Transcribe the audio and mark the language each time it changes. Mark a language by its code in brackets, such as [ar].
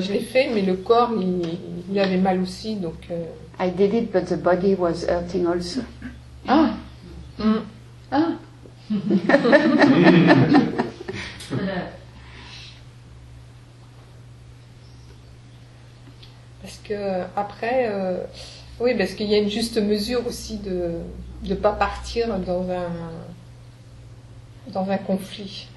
[fr] Je l'ai fait, mais le corps, il avait mal aussi, donc... [en] I did it, but the body was hurting also. [fr] Parce que après, oui, parce qu'il y a une juste mesure aussi de pas partir dans un conflit.